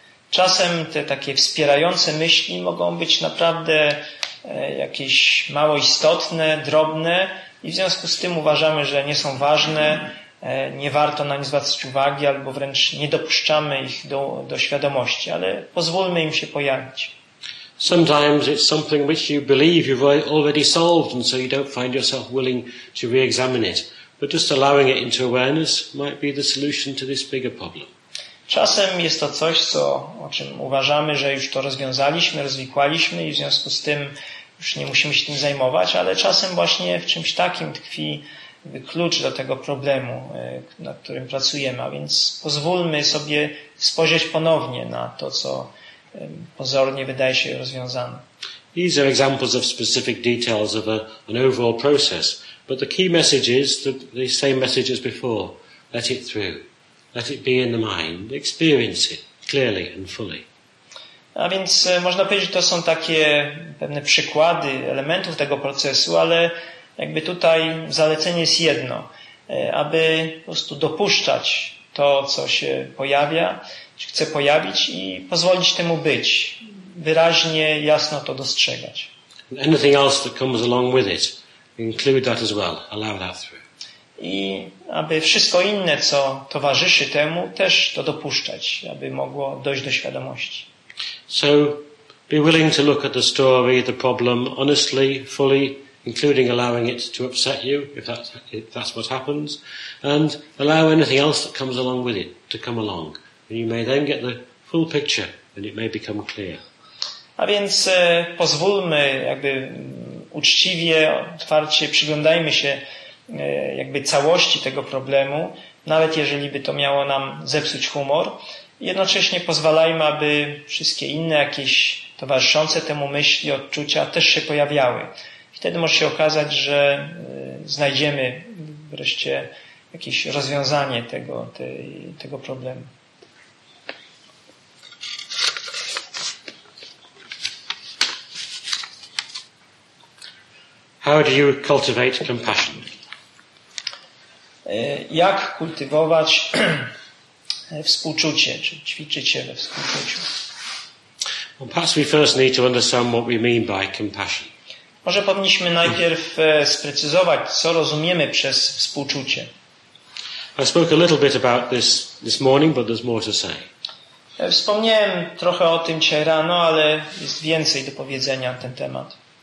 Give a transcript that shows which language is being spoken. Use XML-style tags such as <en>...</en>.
<pl>Czasem te takie wspierające myśli mogą być naprawdę jakieś mało istotne, drobne i w związku z tym uważamy, że nie są ważne, nie warto na nie zwracać uwagi albo wręcz nie dopuszczamy ich do świadomości, ale pozwólmy im się pojawić.</pl> <en>Sometimes it's something which you believe you've already solved and so you don't find yourself willing to re-examine it. But just allowing it into awareness might be the solution to this bigger problem.</en> <pl>Czasem jest to coś, o czym uważamy, że już to rozwiązaliśmy, rozwikłaliśmy i w związku z tym już nie musimy się tym zajmować, ale czasem właśnie w czymś takim tkwi klucz do tego problemu, nad którym pracujemy, a więc pozwólmy sobie spojrzeć ponownie na to, co pozornie wydaje się rozwiązane.</pl> <en>These are examples of specific details of an overall process, but the key message is the same message as before. Let it through. Let it be in the mind. Experience it clearly and fully.</en> <pl>A więc można powiedzieć, że to są takie pewne przykłady elementów tego procesu, ale jakby tutaj zalecenie jest jedno, aby po prostu dopuszczać to, co się pojawia, czy chce pojawić i pozwolić temu być, wyraźnie, jasno to dostrzegać.</pl> <en>Anything else that comes along with it, include that as well, allow that through.</en> <pl>I aby wszystko inne, co towarzyszy temu, też to dopuszczać, aby mogło dojść do świadomości.</pl> <en>So be willing to look at the story, the problem, honestly, fully, including allowing it to upset you, if that's what happens, and allow anything else that comes along with it to come along. And you may then get the full picture and it may become clear.</en> <pl>A więc pozwólmy, jakby uczciwie, otwarcie przyglądajmy się jakby całości tego problemu, nawet jeżeli by to miało nam zepsuć humor. Jednocześnie pozwalajmy, aby wszystkie inne jakieś towarzyszące temu myśli, odczucia też się pojawiały. Wtedy może się okazać, że znajdziemy wreszcie jakieś rozwiązanie tego problemu.</pl> <en>How do you cultivate compassion?</en> <pl>Jak kultywować współczucie, czy ćwiczyć się we współczuciu?</pl> <en>Well, perhaps we first need to understand what we mean by compassion.</en> <pl>Może powinniśmy najpierw sprecyzować, co rozumiemy przez współczucie.</pl> <en>I spoke a little bit about this morning, but there's more to say.</en> <pl>Wspomniałem trochę o tym dzisiaj rano, ale jest więcej do powiedzenia na ten temat.</pl>